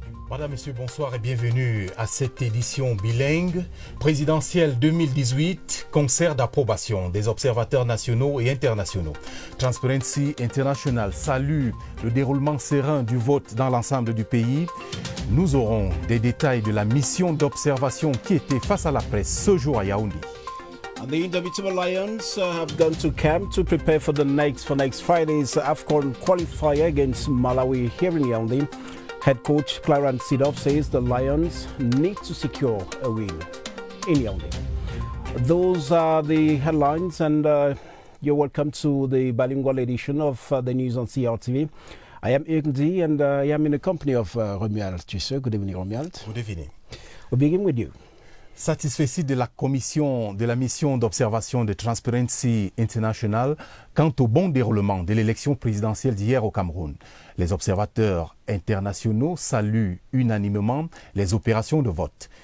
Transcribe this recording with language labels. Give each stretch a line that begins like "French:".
French: Madame, Monsieur, bonsoir et bienvenue à cette édition bilingue présidentielle 2018, concert d'approbation des observateurs nationaux et internationaux. Transparency International salue le déroulement serein du vote dans l'ensemble du pays. Nous aurons des détails de la mission d'observation qui était face à la presse ce jour à Yaoundé.
English: And the Indomitable Lions have gone to camp to prepare for the next Friday's AFCON qualifier against Malawi here in Yaoundé. Head coach Clarence Seedorf says the Lions need to secure a win in Yaoundé. Those are the headlines, and you're welcome to the bilingual edition of the news on CRTV. I am Eugen D, and I am in the company of Romuald Tusser. Good evening, Romuald. Good evening. We begin with you.
French: Satisfait de la commission de la mission d'observation de Transparency International quant au bon déroulement de l'élection présidentielle d'hier au Cameroun. Les observateurs internationaux saluent unanimement les opérations de vote.